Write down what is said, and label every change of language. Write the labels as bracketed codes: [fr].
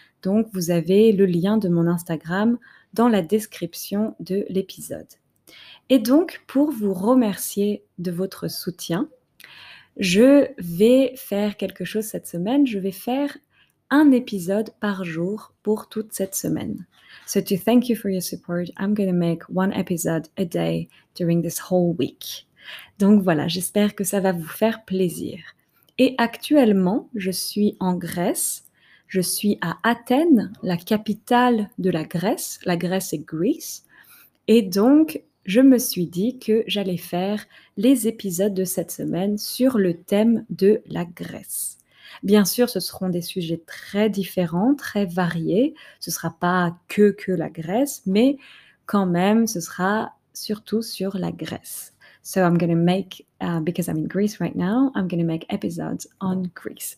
[fr] Donc, vous avez le lien de mon Instagram dans la description de l'épisode. Et donc, pour vous remercier de votre soutien, je vais faire quelque chose cette semaine. Je vais faire un épisode par jour pour toute cette semaine. [en] So to thank you for your support, I'm going to make one episode a day during this whole week. [fr] Donc voilà, j'espère que ça va vous faire plaisir. Et actuellement, je suis en Grèce. Je suis à Athènes, la capitale de la Grèce. La Grèce est Greece. Et donc, je me suis dit que j'allais faire les épisodes de cette semaine sur le thème de la Grèce. Bien sûr, ce seront des sujets très différents, très variés. Ce ne sera pas que la Grèce, mais quand même, ce sera surtout sur la Grèce. [en] So I'm going to make, because I'm in Greece right now, I'm going to make episodes on Greece.